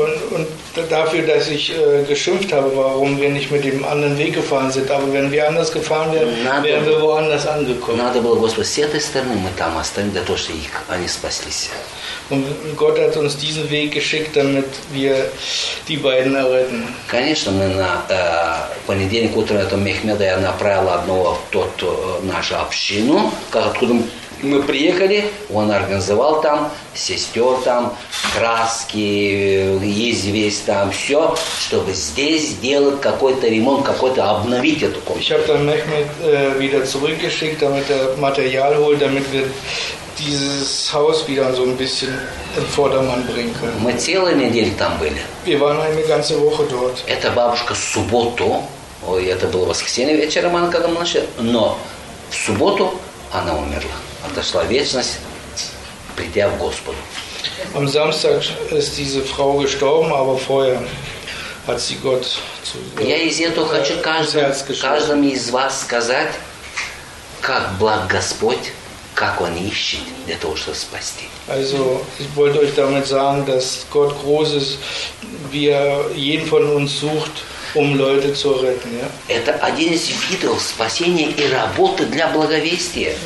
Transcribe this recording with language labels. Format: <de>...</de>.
<de>Und dafür, dass ich geschimpft habe, warum wir nicht mit dem anderen Weg gefahren sind. Aber wenn wir anders gefahren wären, wären wir woanders angekommen.</de> <ru>Надо было, Господи, с этой стороны мы там остались, для того, чтобы их, они спаслись.</ru> <de>Und Gott hat uns diesen Weg geschickt, damit wir die beiden erretten.</de> <ru>Конечно, мы на понедельник утром этого Мехмеда я направил одного в тот нашу общину, откуда мы приехали, он организовал там сестер, там краски, есть весь там все, чтобы здесь сделать какой-то ремонт, какой-то обновить эту комнату.</ru> <de>Ich habe dann Mehmet wieder zurückgeschickt, damit er Material holt, damit wir dieses Haus wieder so ein bisschen in Vordermann bringen können.</de> <ru>Мы целую неделю там были.</ru> <de>Wir waren eine ganze Woche dort.</de> <ru>Это бабушка в субботу, ой, это было воскресенье вечером, она когда мы начали, но в субботу она умерла. Отошла вечность, придя в Господу.</ru> <de>Am Samstag ist diese Frau gestorben, aber vorher hat sie Gott zu</de> <ru>Я из этого хочу каждому из вас сказать, как благ Господь, как Он ищет для того, чтобы спасти.</ru> <de>Also, ich wollte euch damit sagen, dass Gott groß ist, wie er jeden von uns sucht. Leute zu retten, ja.</de> <ru>Это один из видов спасения и работы для благовестия.</ru>